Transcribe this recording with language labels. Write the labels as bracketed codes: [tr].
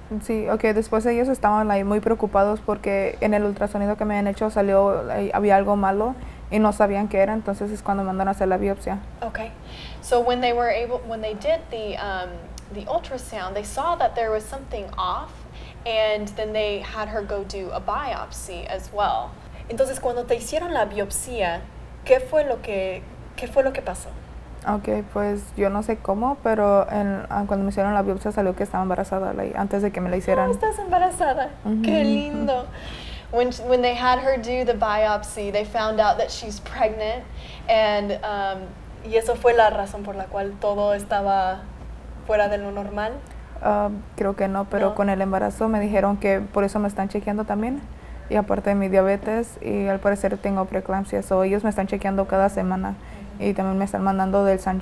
[es] Sí, okay, después ellos estaban muy preocupados porque en el ultrasonido que me habían hecho había algo malo y no sabían qué era, entonces es cuando mandaron a hacer la biopsia. [en] So when they did the ultrasound, they saw that there was something off. And then they had her go do a biopsy as well. [es] Entonces, cuando te hicieron la biopsia, ¿qué fue lo que pasó? Okay, pues yo no sé cómo, pero cuando me hicieron la biopsia salió que estaba embarazada, antes de que me la hicieran. Estás embarazada. Qué lindo. [en] When they had her do the biopsy, they found out that she's pregnant, and [es] y eso fue la razón por la cual todo estaba fuera de lo normal. Creo que no, pero No. con el embarazo me dijeron que por eso me están chequeando también, y aparte de mi diabetes, y al parecer tengo preeclampsia, o ellos me están chequeando cada semana. Y también me están mandando del St.